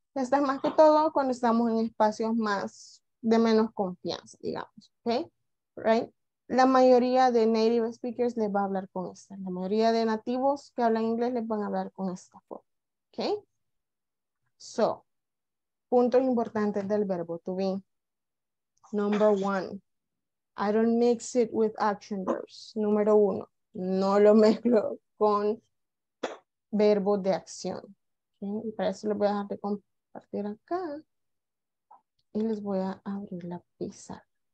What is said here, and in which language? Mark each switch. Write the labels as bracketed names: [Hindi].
[Spanish] Esta es más que todo cuando estamos en espacios más de menos confianza, digamos, ¿ok? ¿Right? La mayoría de native speakers les va a hablar con esta. La mayoría de nativos que hablan inglés les van a hablar con esta forma, ¿ok? So, puntos importantes del verbo to be. [English] Number one, I don't mix it with action verbs. [Spanish] Número uno, no lo mezclo con verbo de acción. ¿Okay? Y para eso les voy a dejar de compartir acá. Y les voy a abrir la pizarra.